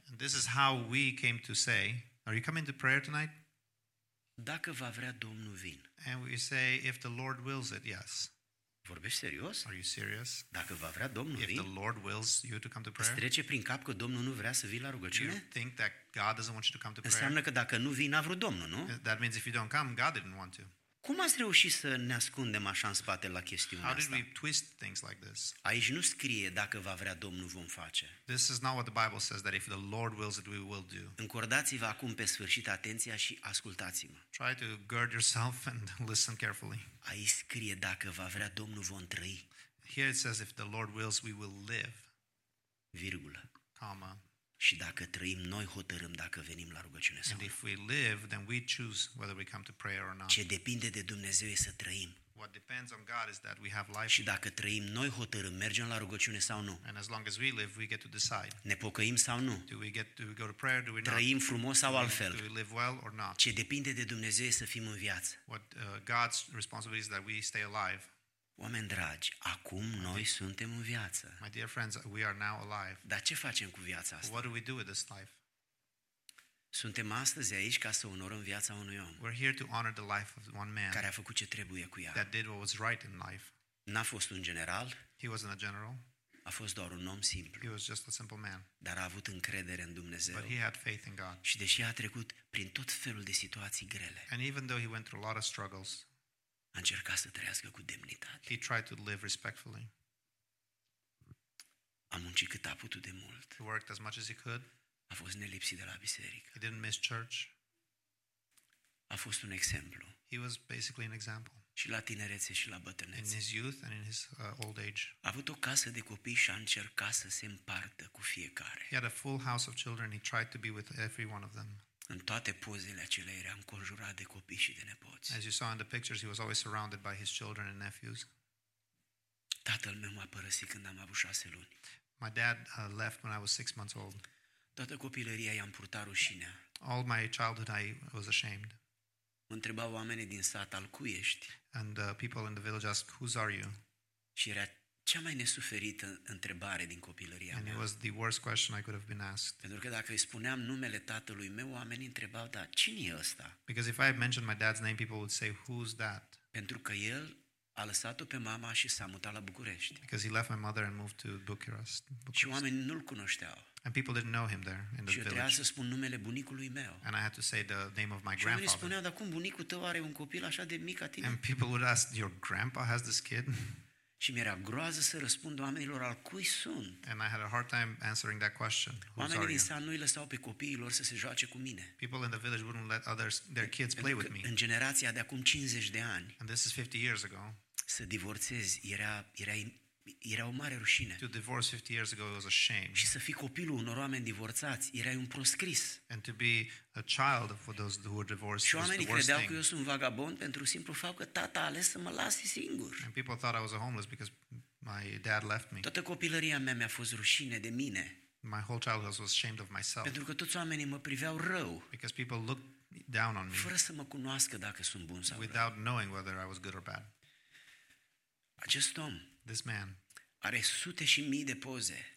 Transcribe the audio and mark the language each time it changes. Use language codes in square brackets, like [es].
[en] And this is how we came to say, are you coming to prayer tonight? [ro] Dacă va vrea Domnul, vin. [en] And we say, if the Lord wills it, yes. [ro] Vorbești serios? [en] Are you serious? [ro] Dacă va vrea Domnul, [en] if the Lord wills you to come to prayer? [ro] Îți trece prin cap că Domnul nu vrea să vii la rugăciune? [en] Do you think that God doesn't want you to come to prayer? [ro] Înseamnă că dacă nu vii, n-a vrut Domnul, nu? [en] That means if you don't come, God didn't want to. [ro] Cum ați reușit să ne ascundem așa în spate la chestiunea asta? [en] How did we twist things like this? [ro] Aici nu scrie dacă va vrea Domnul, vom face. [en] This is not what the Bible says, that if the Lord wills it, we will do. [ro] Încordați-vă acum pe sfârșit atenția și ascultați-mă. [en] Try to gird yourself and listen carefully. [ro] Aici scrie dacă va vrea Domnul, vom trăi. [en] Here it says, if the Lord wills, we will live. [ro] Virgulă. [en] Comma. [ro] Și dacă trăim, noi hotărâm dacă venim la rugăciune sau. [en] And if we live, then we choose whether we come to prayer or not. [ro] Ce depinde de Dumnezeu e să trăim. [en] What depends on God is that we have life. [ro] Și dacă trăim, noi hotărâm, mergem la rugăciune sau nu. [en] And as long as we live, we get to decide. [ro] Ne pocăim sau nu. [en] Do we go to prayer, do we not? [ro] Trăim frumos sau altfel. [en] Do we live well or not? [ro] Ce depinde de Dumnezeu e să fim în viață. [en] What God's responsibility is that we stay alive. [ro] Oameni dragi, acum noi suntem în viață. [en] My dear friends, we are now alive. [ro] Dar ce facem cu viața asta? [en] What do we do with this life? [ro] Suntem astăzi aici ca să onorăm viața unui om. [en] We're here to honor the life of one man. [ro] Care a făcut ce trebuie cu ea. [en] That did what was right in life. [ro] N-a fost un general. [en] He wasn't a general. [ro] A fost doar un om simplu. [en] He was just a simple man. [ro] Dar a avut încredere în Dumnezeu. [en] But he had faith in God. [ro] Și deși a trecut prin tot felul de situații grele. [en] And even though he went through a lot of struggles. [ro] A încercat să trăiască cu demnitate. [en] He tried to live respectfully. [ro] A muncit cât a putut de mult. [en] He worked as much as he could. [ro] A fost nelipsit de la biserică. [en] He didn't miss church. [ro] A fost un exemplu. [en] He was basically an example. [ro] Și la tinerețe și la bătrânețe. [en] In his youth and in his old age. [ro] A avut o casă de copii și a încercat să se împartă cu fiecare. [en] He had a full house of children. He tried to be with every one of them. [ro] În toate pozele acelea era înconjurat de copii și de nepoți. [en] As you saw in the pictures, he was always surrounded by his children and nephews. [ro] Tatăl meu m-a părăsit când am avut 6 luni. [en] My dad left when I was 6 months old. [ro] Toată copilăria i-am purtat rușinea. [en] All my childhood I was ashamed. [ro] Mă întrebau oamenii din sat, al cui ești? [en] And people in the village asked, whose are you? [ro] Și era cea mai nesuferită întrebare din copilăria mea. [en] And it was the worst question I could have been asked. [ro] Pentru că dacă îi spuneam numele tatălui meu, oamenii întrebau, dar cine e ăsta? [en] Because if I mentioned my dad's name, people would say, who's that? [ro] Pentru că el a lăsat-o pe mama și s-a mutat la București. [en] Because he left my mother and moved to Bucharest. [ro] Și oamenii nu-l cunoșteau. [en] And people didn't know him there in the village. [ro] Și eu trebuia să spun numele bunicului meu. [en] And I had to say the name of my grandfather. [ro] Și oamenii spuneau, dar cum bunicul tău are un copil așa de mic ca tine? [en] And people would ask, your grandpa has this kid? [ro] Și mi-era groază să răspund oamenilor, al cui sunt? [en] And I had a hard time answering that question. [ro] Oamenii din sat nu îi lăsau pe copiilor să se joace cu mine. [en] People in the village wouldn't let others their kids play with me. [ro] În generația de acum 50 de ani. [en] And this is 50 years ago. [ro] Să divorțezi era o mare rușine. [en] To divorce 50 years ago was a shame. [ro] Și să fii copilul unor oameni divorțați era un proscris. [en] And to be a child for those who were divorced. [ro] Și oamenii credeau că eu sunt vagabond pentru simplu fapt că tata a ales să mă lase singur. [en] And people thought I was a homeless because my dad left me. [ro] Toată copilăria mea mi-a fost rușine de mine. [en] My whole childhood was ashamed of myself. [ro] Pentru că toți oamenii mă priveau rău. [en] Because people looked down on me. [ro] Fără să mă cunoască dacă sunt bun sau rău. [en] Without knowing whether I was good or bad. [ro] Acest om. [en] This man [ro] are sute și mii de poze.